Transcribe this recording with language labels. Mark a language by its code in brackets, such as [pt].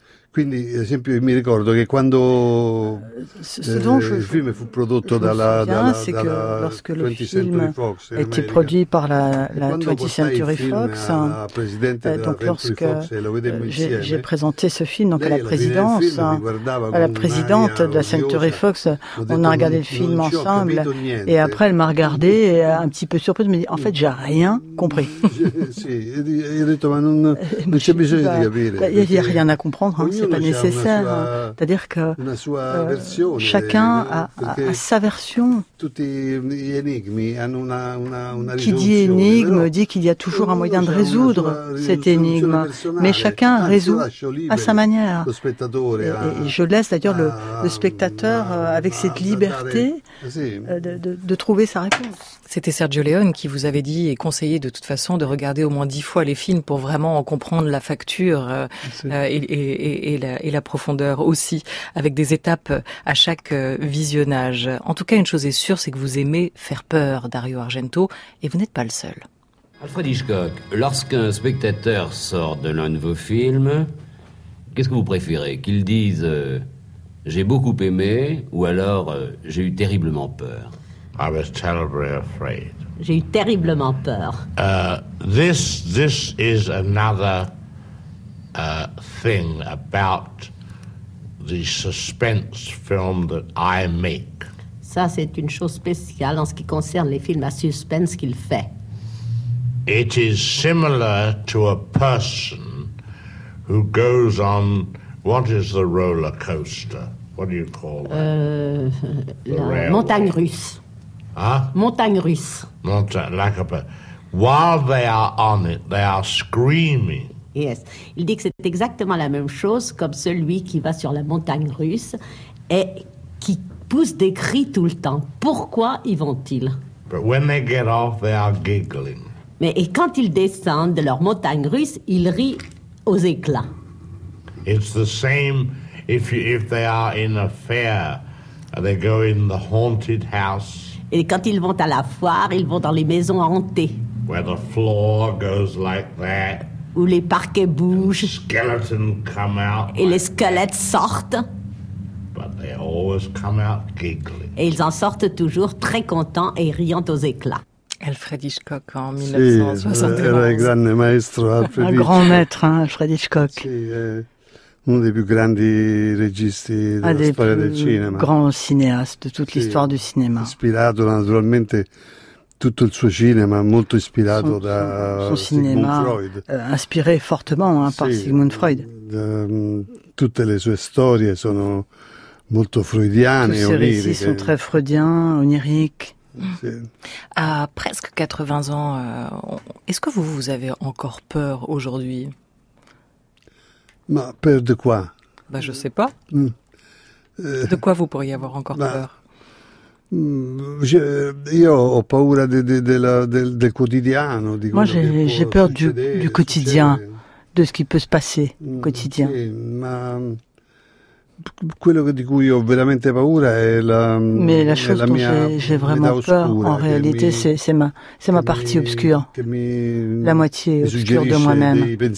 [it] Quindi, ad esempio, mi ricordo che quando il film fu prodotto dalla 20th Century Fox, è stato prodotto per la 20th Century Fox. [fr] Donc lorsque j'ai présenté ce film donc à la présidente de la Century Fox, on a regardé le film ensemble et après elle m'a regardé un petit peu surprise, mais en fait j'ai rien compris. [it] Sì, ho detto ma non c'è bisogno di capire. [fr] Il n'y a rien à comprendre. Pas nécessaire. C'est-à-dire que chacun a sa version. Qui dit énigme dit qu'il y a toujours un moyen de résoudre cette énigme. Mais chacun résout à sa manière. Et je laisse d'ailleurs le spectateur avec cette liberté de trouver sa réponse. C'était Sergio Leone qui vous avait dit et conseillé de toute façon de regarder au moins 10 fois les films pour vraiment en comprendre la facture et la profondeur aussi, avec des étapes à chaque visionnage. En tout cas, une chose est sûre, c'est que vous aimez faire peur, Dario Argento, et vous n'êtes pas le seul. Alfred Hitchcock, lorsqu'un spectateur sort de l'un de vos films, qu'est-ce que vous préférez? Qu'il dise « j'ai beaucoup aimé » ou alors « j'ai eu terriblement peur ». [en] I was terribly afraid. [fr] J'ai eu terriblement peur. [en] This is another thing about the suspense film that I make. [fr] Ça, c'est une chose spéciale en ce qui concerne les films à suspense qu'il fait. [en] It is similar to a person who goes on... What is the roller coaster? What do you call that? [fr] Montagne russe. Huh? Montagne russe. [en] While they are on it, they are screaming. Yes. [fr] Il dit que c'est exactement la même chose comme celui qui va sur la montagne russe et qui pousse des cris tout le temps. Pourquoi y vont-ils? [en] But when they get off, they are giggling. [fr] Mais et quand ils descendent de leur montagne russe, ils rient aux éclats. [en] It's the same if they are in a fair, they go in the haunted house. [fr] Et quand ils vont à la foire, ils vont dans les maisons hantées. [en] Where the floor goes like that. [fr] Où les parquets bougent. [en] Skeletons come out. [fr] Et les squelettes sortent. [en] But they always come out giggling. [fr] Et ils en sortent toujours très contents et riant aux éclats. Alfred Hitchcock en 1971. [it] Era il grande maestro Alfred [fr] Hitchcock. Un grand maître, hein, Alfred Hitchcock. [it] Sì, uno dei più grandi registi della storia del cinema. [fr] Un grand cinéaste de toute l'histoire du cinéma. [it] Ispirato naturalmente tutto il suo cinema, molto ispirato da Sigmund Freud. [fr] Inspiré fortement par Sigmund Freud. [it] Tutte le sue storie sono molto freudiane, oniriche. [fr] Tous ses récits sont très freudiens, oniriques. À presque 80 ans, est-ce que vous avez encore peur aujourd'hui? Ma peur de quoi? Ben, je ne sais pas. De quoi vous pourriez avoir encore peur? [it] Io ho paura del quotidiano. [fr] Moi, j'ai peur du quotidien, de ce qui peut se passer au quotidien. [it] Quello di cui ho veramente paura è [fr] la chose dont j'ai vraiment peur, en réalité, c'est ma partie obscure, la moitié obscure de moi-même,